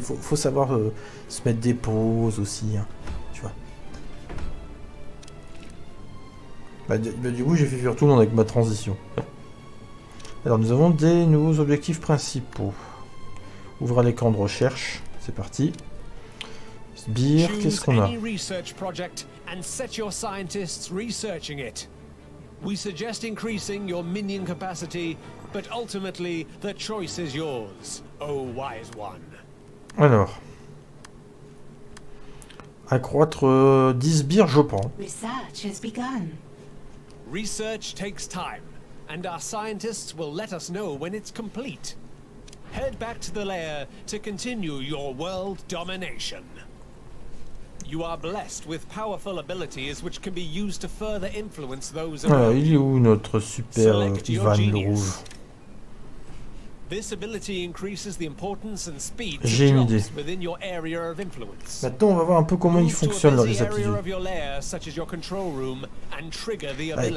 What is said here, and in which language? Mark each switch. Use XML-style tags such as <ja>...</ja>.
<fr>Faut savoir se mettre des pauses aussi, hein, tu vois. Bah, du coup, j'ai fait fuir tout le monde avec ma transition. Alors, nous avons des nouveaux objectifs principaux. Ouvrez l'écran de recherche. C'est parti. Sbire, qu'est-ce qu'on a ?</fr> <en>And set your scientists researching it. We suggest increasing your minion capacity, but ultimately the choice is yours, oh wise one.</en> <fr>Alors, accroître 10 sbires, je prends.</fr> <en>Research has begun. Research takes time, and our scientists will let us know when it's complete. Head back to the lair to continue your world domination. You are blessed with powerful abilities which can be used to further influence those around you.</en> <fr>Ah, il est où notre super Ivan le Rouge?</fr> <en>This ability increases the importance and speed within your area of influence.</en> <fr>Maintenant, on va voir un peu comment ils fonctionnent dans les aptitudes.</fr> <en>Your lair, such as your control room, and trigger the ability.</en>